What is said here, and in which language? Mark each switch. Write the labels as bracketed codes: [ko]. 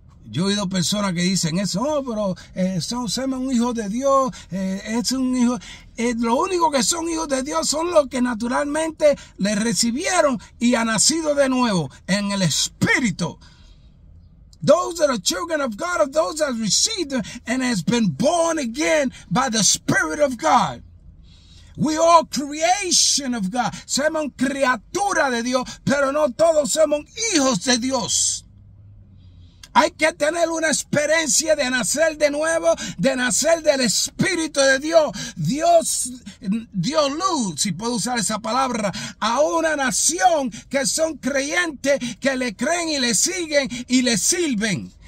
[es] Yo he oído personas que dicen eso, oh, pero somos un hijo de Dios, es un hijo. Lo único que son hijos de Dios son los que naturalmente le recibieron y han nacido de nuevo en el Espíritu. [en] Those that are children of God are those that have received them and has been born again by the Spirit of God. We all creation of God. [es] Somos criatura de Dios, pero no todos somos hijos de Dios. Hay que tener una experiencia de nacer de nuevo, de nacer del Espíritu de Dios. Dios dio luz, si puedo usar esa palabra, a una nación que son creyentes, que le creen y le siguen y le sirven.